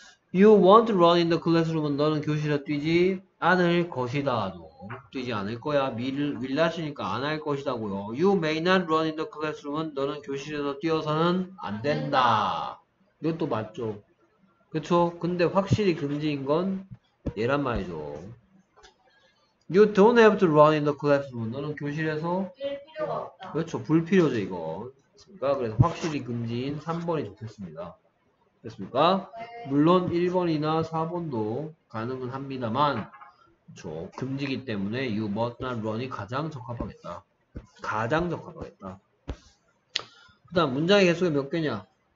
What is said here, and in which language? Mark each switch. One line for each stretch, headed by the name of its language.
English: You won't run in the classroom
Korean: 은 너는 교실에 뛰지 않을 것이다. 뛰지 않을 거야. will 하시니까 안 할 것이다고요.
English: You may not run in the classroom
Korean: 은 너는 교실에서 뛰어서는 안 된다. 이것도 맞죠. 그쵸? 근데 확실히 금지인 건 얘란 말이죠.
English: You don't have to run in the classroom.
Korean: 너는 교실에서 뛸 필요가 없다. 그렇죠. 불필요죠, 이거. 그러니까 그래서 확실히 금지인 3번이 좋겠습니다. 됐습니까? 네. 물론 1번이나 4번도 가능은 합니다만, 그렇죠. 금지기 때문에
English: you must not run
Korean: 이 가장 적합하겠다. 가장 적합하겠다. 그 다음, 문장의 개수가 몇 개냐?